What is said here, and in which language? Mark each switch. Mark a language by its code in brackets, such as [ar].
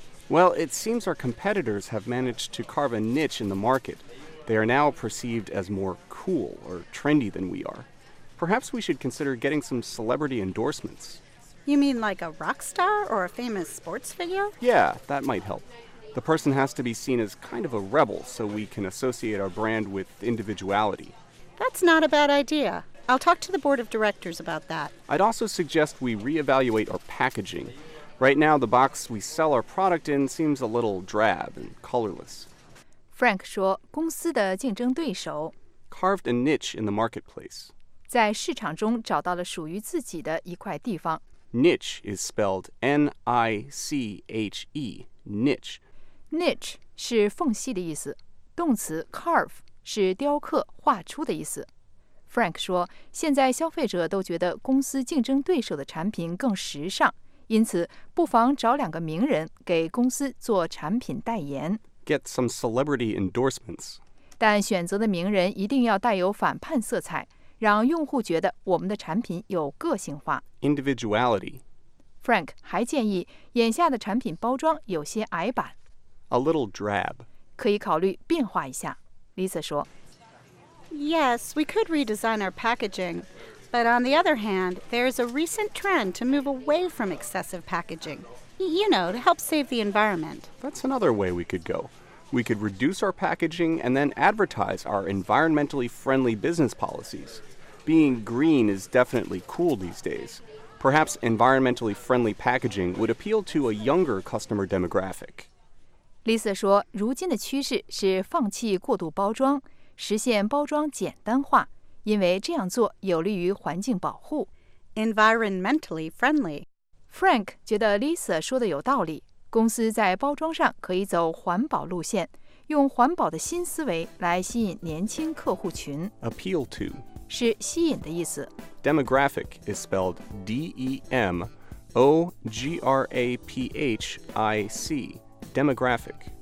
[en] Well, it seems our competitors have managed to carve a niche in the market. They are now perceived as more cool or trendy than we are. Perhaps we should consider getting some celebrity endorsements. You mean like a rock star or a famous sports figure? Yeah, that might help. The person has to be seen as kind of a rebel so we can associate our brand with individuality. That's not a bad idea. I'll talk to the board of directors about that. I'd also suggest we reevaluate our packaging. Right now, the box we sell our product in seems a little drab and colorless. [zh] Frank 说公司的竞争对手 [en] carved a niche in the marketplace. [zh] 在市场中找到了属于自己的一块地方。 [en] Niche is spelled N-I-C-H-E, niche. [zh] Niche 是缝隙的意思。动词 carve 是雕刻、画出的意思。 Frank 说现在消费者都觉得公司竞争对手的产品更时尚。因此不妨找两个名人给公司做产品代言。 [en] Get some celebrity endorsements. [zh] 但选择的名人一定要带有反叛色彩，让用户觉得我们的产品有个性化。 [en] Individuality. [zh] Frank 还建议眼下的产品包装有些矮板。 [en] A little drab. [zh] 可以考虑变化一下。Lisa 说 [en] Yes, we could redesign our packaging. But on the other hand, there is a recent trend to move away from excessive packaging. You know, to help save the environment. That's another way we could go. We could reduce our packaging and then advertise our environmentally friendly business policies. Being green is definitely cool these days. Perhaps environmentally friendly packaging would appeal to a younger customer demographic. [zh] Lisa 说，如今的趋势是放弃过度包装，实现包装简单化。因为这样做有利于环境保护。 [en] Environmentally friendly. [zh] Frank 觉得 Lisa 说的有道理，公司在包装上可以走环保路线，用环保的新思维来吸引年轻客户群。 [en] Appeal to [zh] 是吸引的意思。 [en] Demographic is spelled D-E-M-O-G-R-A-P-H-I-C. Demographic.